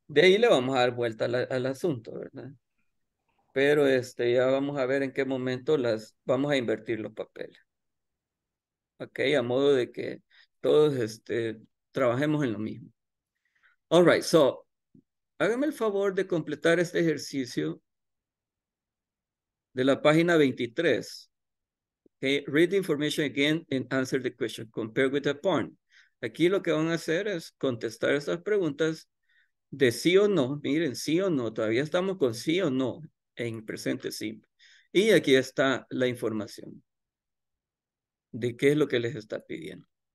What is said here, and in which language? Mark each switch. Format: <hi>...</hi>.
<es>De ahí le vamos a dar vuelta al asunto, ¿verdad? Pero ya vamos a ver en qué momento vamos a invertir los papeles. Ok, a modo de que todos trabajemos en lo mismo.</es> <en>All right, so,</en> <es>hágame el favor de completar este ejercicio de la página 23.</es> <en>Okay, read the information again and answer the question. Compare with the point.</en> <es>Aquí lo que van a hacer es contestar estas preguntas de sí o no. Miren, sí o no. Todavía estamos con sí o no en presente simple. Y aquí está la información de qué es lo que les está pidiendo.</es>